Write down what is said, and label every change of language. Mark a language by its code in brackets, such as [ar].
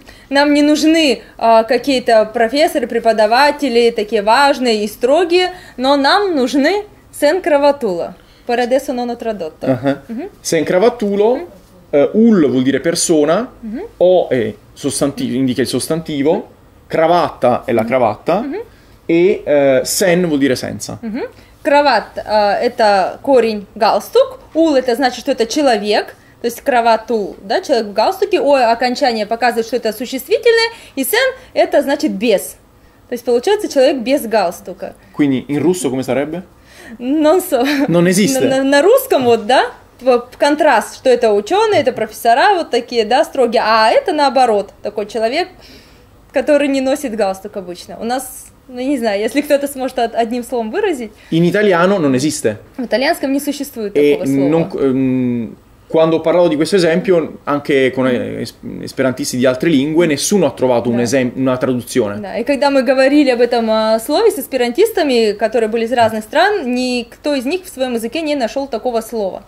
[ru] Нам не нужны какие-то профессоры, преподаватели, такие важные и строгие, но нам нужны сенкраватуло. [it] Per adesso non ho tradotto. Сенкраватуло, ul vuol dire persona, o è sostantivo, indica il sostantivo, cravatta è la cravatta, e sen vuol dire senza. [ru] Кроват это корень галстук, ул это значит, что это человек, то есть кровату, да, человек в галстуке, о окончание показывает, что это существительное, и сен это значит без. То есть получается человек без галстука. [it] Quindi in russo come sarebbe? Non so. Non esiste. [ru] На русском вот, да? Контраст, что это ученые, это профессора, вот такие, да, строгие. А это наоборот, такой человек, который не носит галстук обычно. У нас, ну, не знаю, если кто-то сможет одним словом выразить. [it] In italiano non esiste. [ru] В итальянском не существует такого слова. [it] Quando ho parlato di questo esempio, anche con esperantisti di altre lingue, nessuno ha trovato una traduzione. [ru] Да, и когда мы говорили об этом слове с эсперантистами, которые были из разных стран, никто из них в своем языке не нашел такого слова.